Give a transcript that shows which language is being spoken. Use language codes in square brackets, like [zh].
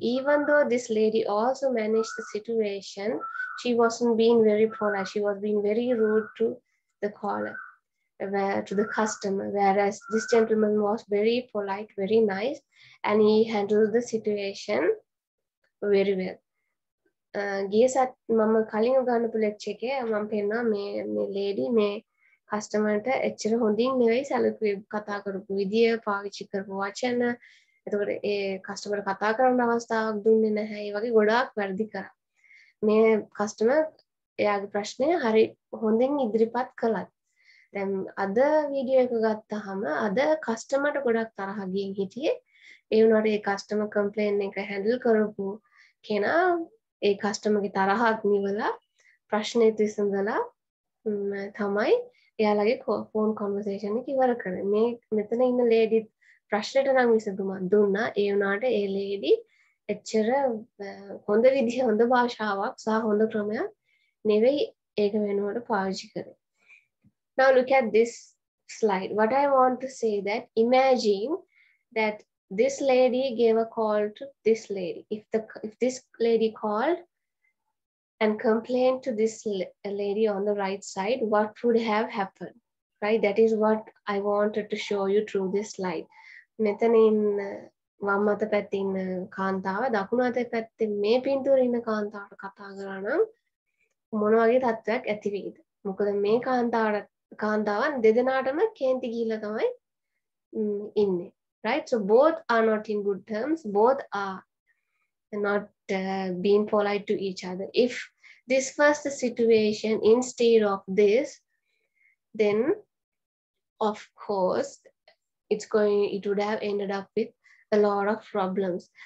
[en] Even though this lady also managed the situation, she wasn't being very polite. She was being very rude to the caller, to the customer, whereas this gentleman was very polite, very nice, and he handled the situation very well. [si] ගියසත් මම කලින් ගන්න පුලච් එකේ මම පේනවා මේ මේ lady මේ කස්ටමර්ට එච්චර හොඳින් නෙවෙයි සැලකුවේ කතා කරපු විදිය පාවිච්චි කරපු වචන එතකොට ඒ කස්ටමර් කතා කරන්න අවස්ථාවක් දුන්නේ නැහැ ඒ වගේ ගොඩාක් වැරදි කරා මේ කස්ටමර් එයාගේ ප්‍රශ්නය හරි හොඳින් ඉදිරිපත් කළත් දැන් අද වීඩියෝ එක ගත්තාම අද කස්ටමර්ට ගොඩක් තරහ ගියන් හිටියේ ඒ වුණාට ඒ කස්ටමර් කම්ප්ලේන් එක හැන්ඩල් කරපු කෙනා ඒ කස්ටමර්ගේ තරහ අත්මිවලා ප්‍රශ්නේ විසඳලා තමයි එයාලගේ ෆෝන් කන්වර්සේෂන් එක ඉවර කරන්නේ මේ මෙතන ඉන්න ලේඩි ප්‍රශ්නෙට නම් විසඳුමක් දුන්නා ඒ වුණාට ඒ ලේඩි එච්චර හොඳ විදිහ හොඳ භාෂාවක් සහ හොඳ ක්‍රමයක් නෙවෙයි ඒක වෙනුවට පාවිච්චි කරේ [en] Now look at this slide. What I want to say that imagine that this lady gave a call to this lady. If this lady called and complained to this lady on the right side, what would have happened, right? That is what I wanted to show you through this slide. [si] මෙතන ඉන්න වම් අත පැත්තේ ඉන්න කාන්තාව දකුණු අත පැත්තේ මේ පින්තූරේ ඉන්න කාන්තාවට කතා කරා නම් මොන වගේ තත්ත්වයක් ඇති වෙයිද? මොකද මේ කාන්තාවන් දෙදෙනාටම කේන්ති ගිහිල්ලා තමයි ඉන්නේ. [en] Right, so both are not in good terms, both are not being polite to each other. If this was the situation instead of this, then of course it would have ended up with a lot of problems.